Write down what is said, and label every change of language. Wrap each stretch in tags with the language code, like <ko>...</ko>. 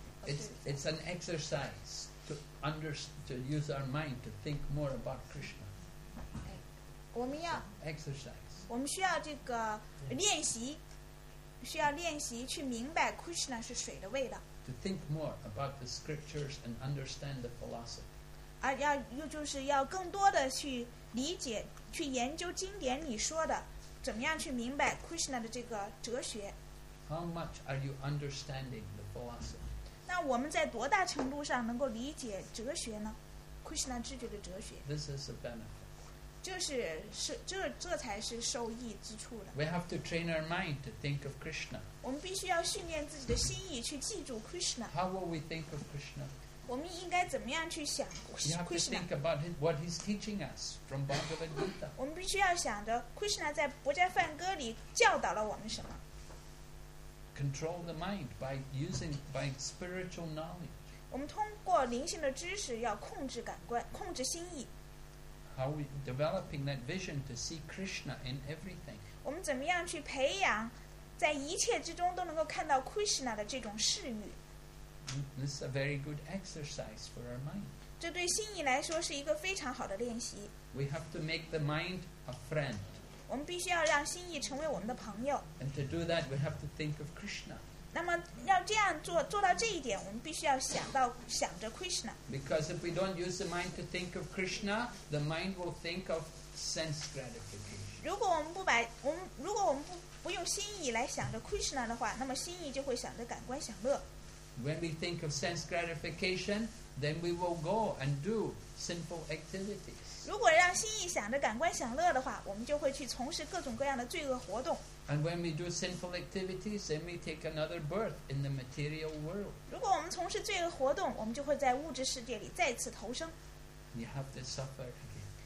<en>it's an exercise to use our mind to think more about Krishna.</en> <zh>我们要</zh> <en>exercise.</en> <zh>我们需要这个练习，需要练习去明白 Krishna 是水的味道。</zh> <en>To think more about the scriptures and understand the philosophy.</en> <zh>而要又就是要更多的去理解去研究经典里说的怎么样去明白 Krishna 的这个哲学。</zh> <en>How much are you understanding the philosophy?</en> <zh>那我们在多大程度上能够理解哲学呢？ Krishna 智觉的哲学。</zh> <en>This is a benefit.</en> <zh>这才是受益之处的。</zh> <en>We have to train our mind to think of Krishna.</en> <zh>我们必须要训练自己的心意去记住 Krishna.</zh> <en>How will we think of Krishna?</en> <zh>我们应该怎么样去想 Krishna?</zh> <en>You have to think about what he's teaching us from Bhagavad Gita.</en> <zh>我们必须要想着 Krishna 在《博迦梵歌》里教导了我们什么。</zh> <en>Control the mind by spiritual knowledge.</en> <zh>我们通过灵性的知识要控制感官，控制心意。</zh> <en>How are we developing that vision to see Krishna in everything?</en> <zh>我们怎么样去培养，在一切之中都能够看到 Krishna 的这种视域？</zh> <en>This is a very good exercise for our mind.</en> <zh>这对心意来说是一个非常好的练习。</zh> <en>We have to make the mind a friend.</en> <zh>我们必须要让心意成为我们的朋友。</zh> <en>And to do that, we have to think of Krishna.</en> <zh>那么要这样做到这一点，我们必须要想着 Krishna.</zh> <en>Because if we don't use the mind to think of Krishna, the mind will think of sense gratification.</en> <zh>如果我们不用心意来想着 Krishna 的话，那么心意就会想着感官享乐。</zh> <en>When we think of sense gratification, then we will go and do sinful activities.</en> <zh>如果让心意想着感官享乐的话，我们就会去从事各种各样的罪恶活动。</zh> <en>And when we do sinful activities, then we take another birth in the material world.</en> <zh>如果我们从事罪恶活动，我们就会在物质世界里再次投生。</zh> <en>You have to suffer again.</en>